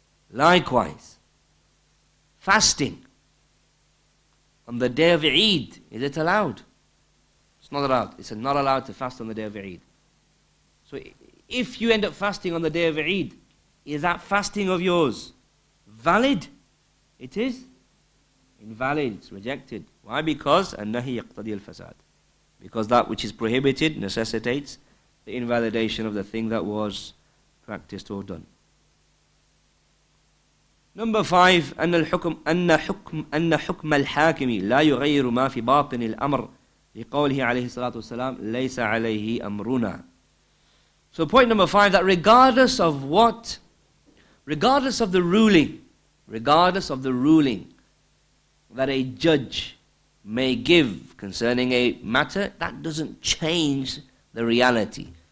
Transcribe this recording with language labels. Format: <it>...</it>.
<en>Likewise, fasting on the day of Eid, is it allowed? It's not allowed. It's not allowed to fast on the day of Eid. So if you end up fasting on the day of Eid, is that fasting of yours valid? It is invalid. It's rejected. Why? Because</en> <ar>النهي يقتضي الفساد.</ar> <en>Because that which is prohibited necessitates the invalidation of the thing that was practiced or done. Number five,</en> <ar>أن حكم الحاكم لا يغير ما في باطن الأمر لقوله عليه الصلاة والسلام ليس عليه أمرنا.</ar> <en>So point number five, that regardless of the ruling that a judge may give concerning a matter, that doesn't change the reality.</en>